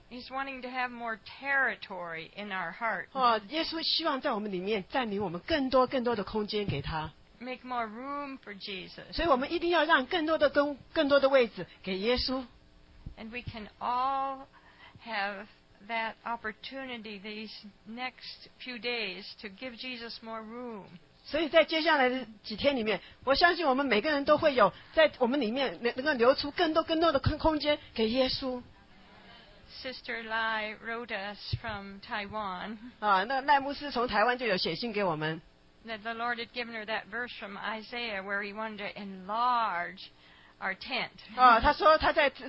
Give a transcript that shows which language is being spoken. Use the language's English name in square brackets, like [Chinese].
[English] He's wanting to have more territory in our heart. [Chinese] 耶稣希望在我们里面占领我们更多更多的空间给他。 [English] Make more room for Jesus. [Chinese] 所以我们一定要让更多的位置给耶稣。 [English] And we can all have that opportunity these next few days to give Jesus more room. [Chinese] 所以在接下来的几天里面，我相信我们每个人都会有在我们里面能够留出更多更多的空间给耶稣。 [English] Sister Lai wrote us from Taiwan. [Chinese] 那赖牧师从台湾就有写信给我们。 [English] That the Lord had given her that verse from Isaiah where he wanted to enlarge our tent.